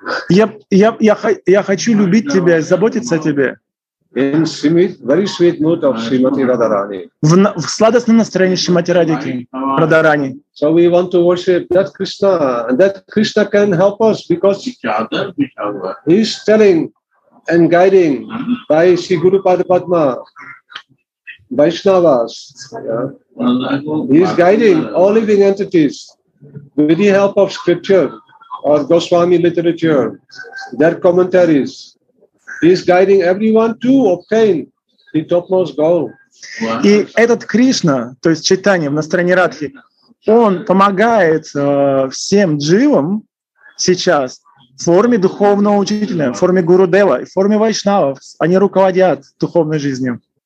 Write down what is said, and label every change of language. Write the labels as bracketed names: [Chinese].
[Russian] Я хочу любить тебя, заботиться о тебе. [English] In sweet, very sweet mood of Srimati Radharani. [Russian] В сладостном настроении Шримати Радхики Радхарани. [English] So we want to worship that Krishna, and that Krishna can help us because he is telling and guiding by Sri Guru Padma Vaishnavas. Yeah? He is guiding all living entities with the help of scripture or Goswami literature, their commentaries. He is guiding everyone to obtain the topmost goal. [Russian] И этот Кришна, то есть читание в настроении Радхи, он помогает всем дживам сейчас в форме духовного учителя, в форме Гуру Дева, в форме вайшнавов. Они руководят духовной жизнью.